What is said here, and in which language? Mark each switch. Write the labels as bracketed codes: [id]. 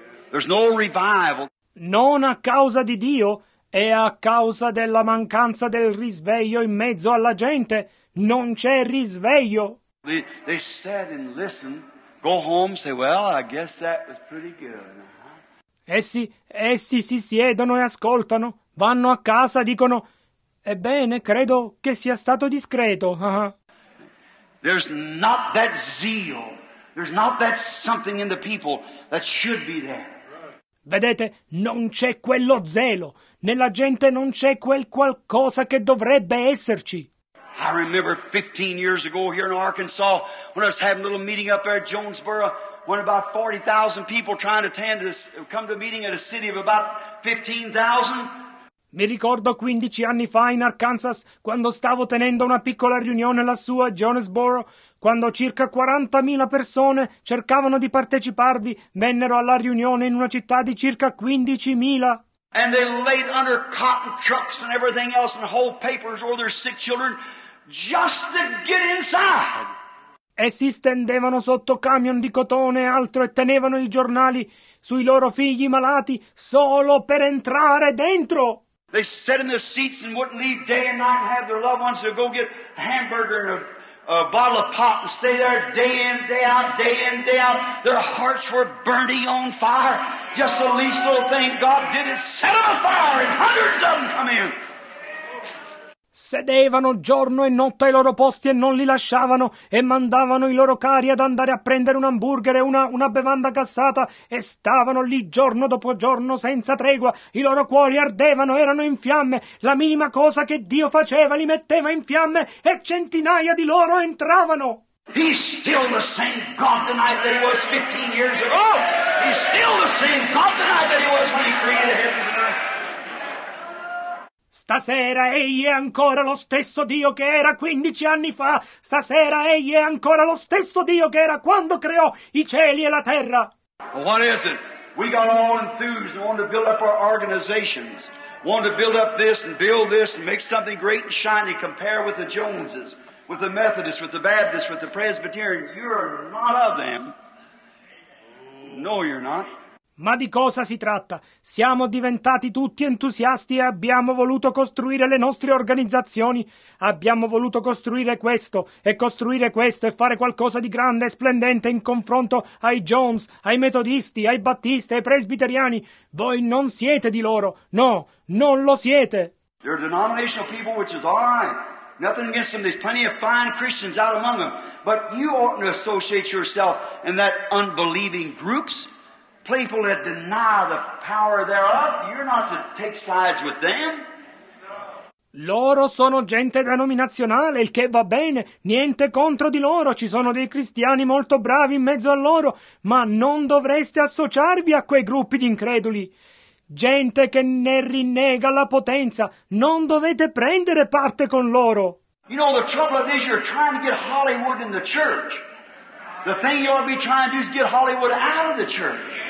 [en] There's no revival. [it] Non a causa di Dio, è a causa della mancanza del risveglio in mezzo alla gente. Non c'è risveglio. [en] They sat and listened, go home, say, well, I guess that was pretty good. [it] Essi si siedono e ascoltano, vanno a casa, dicono, ebbene, credo che sia stato discreto. [en] There's not that zeal, there's not that something in the people that should be there. [it] Vedete, non c'è quello zelo, nella gente non c'è quel qualcosa che dovrebbe esserci. [en] I remember 15 years ago here in Arkansas, when I was having a little meeting up there at Jonesboro, when about 40,000 people trying to attend this, come to a meeting at a city of about 15,000. [it] Mi ricordo 15 anni fa in Arkansas, quando stavo tenendo una piccola riunione lassù a Jonesboro, quando circa 40,000 persone cercavano di parteciparvi, vennero alla riunione in una città di circa 15,000. [en] And they laid under cotton trucks and everything else and whole papers over their sick children just to get inside. [it] E si stendevano sotto camion di cotone e altro e tenevano i giornali sui loro figli malati solo per entrare dentro. [en] They sat in the seats and wouldn't leave day and night and have their loved ones to go get a hamburger and a bottle of pop and stay there day in, day out, day in, day out. Their hearts were burning on fire. Just the least little thing God did is set them on fire and hundreds of them come in. [it] sedevano giorno e notte ai loro posti e non li lasciavano e mandavano i loro cari ad andare a prendere un hamburger e una bevanda gassata e stavano lì giorno dopo giorno senza tregua. I loro cuori ardevano, erano in fiamme. La minima cosa che Dio faceva li metteva in fiamme e centinaia di loro entravano. [en] He's still the same God tonight that he was 15 years ago. He's still the same God tonight that he was when he created heaven. [it] Stasera egli è ancora lo stesso Dio che era 15 anni fa. Stasera egli è ancora lo stesso Dio che era quando creò i cieli e la terra. [en] Well, what is it? We got all enthused and wanted to build up our organizations. Wanted to build up this and build this and make something great and shiny. Compare with the Joneses, with the Methodists, with the Baptists, with the Presbyterians. You're not of them. No, you're not. [it] Ma di cosa si tratta? Siamo diventati tutti entusiasti e abbiamo voluto costruire le nostre organizzazioni. Abbiamo voluto costruire questo e fare qualcosa di grande e splendente in confronto ai Jones, ai Metodisti, ai Battisti, ai Presbiteriani. Voi non siete di loro. No, non lo siete. [en] They're a denominational people, which is all right. Nothing against them. There's plenty of fine Christians out among them. But you oughtn't to associate yourself in that unbelieving groups. People that deny the power thereof, you're not to take sides with them. [it] Loro sono gente denominazionale, il che va bene, niente contro di loro, ci sono dei cristiani molto bravi in mezzo a loro, ma non dovreste associarvi a quei gruppi di increduli. Gente che ne rinnega la potenza, non dovete prendere parte con loro. [en] You know, the trouble is you're trying to get Hollywood in the church. The thing you ought to be trying to do is get Hollywood out of the church.